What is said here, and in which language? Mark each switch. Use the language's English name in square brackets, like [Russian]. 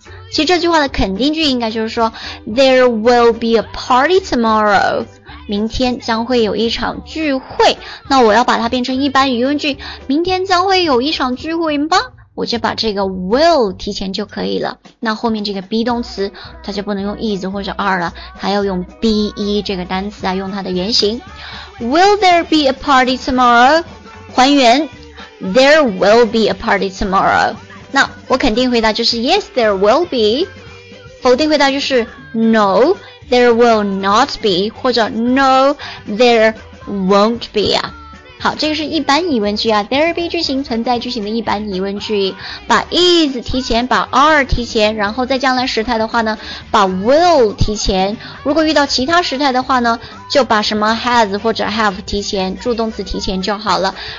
[Chinese] 其实这句话的肯定句应该就是说 [English] There will be a party tomorrow， [Chinese] 明天将会有一场聚会。那我要把它变成一般疑问句，明天将会有一场聚会吗？我就把这个 will 提前就可以了。那后面这个 be 动词它就不能用 is 或者 are 了，它要用 be 这个单词啊，用它的原型。 [English] Will there be a party tomorrow? [Chinese] 还原 [English] There will be a party tomorrow. [Chinese] 那我肯定回答就是 [English] Yes, there will be. [Chinese] 否定回答就是 [English] No, there will not be. [Chinese] 或者 [English] No, there won't be. [Chinese] 啊，好，这个是一般疑问句啊， there be 句型存在句型的一般疑问句，把 is 提前，把 are 提前，然后在将来时态的话呢，把 will 提前，如果遇到其他时态的话呢，就把什么 has 或者 have 提前，助动词提前就好了。